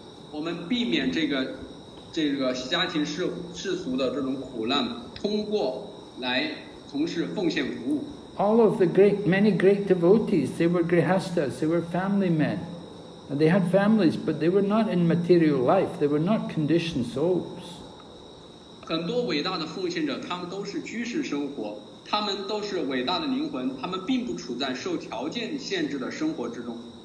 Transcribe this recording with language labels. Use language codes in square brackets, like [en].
[zh] 我们避免这个家庭世俗的这种苦难，通过来从事奉献服务。 [en] All of the many great devotees, they were grihasthas, they were family men. They had families, but they were not in material life. They were not conditioned souls. [zh] 很多伟大的奉献者，他们都是居士生活。他们都是伟大的灵魂，他们并不处在受条件限制的生活之中。